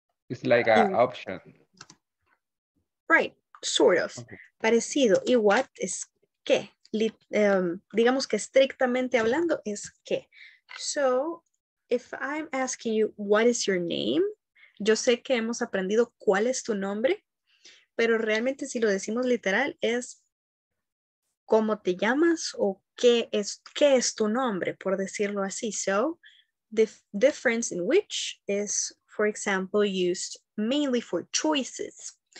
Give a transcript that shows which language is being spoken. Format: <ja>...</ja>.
<en>It's like an option. Right, sort of. Okay. Parecido. Y what is qué?</en> <es>digamos que estrictamente hablando, es que.</es> <en>So, if I'm asking you, what is your name?</en> <es>Yo sé que hemos aprendido cuál es tu nombre, pero realmente si lo decimos literal es cómo te llamas o qué es tu nombre, por decirlo así.</es> <en>So, the difference in which is, for example, used mainly for choices.</en>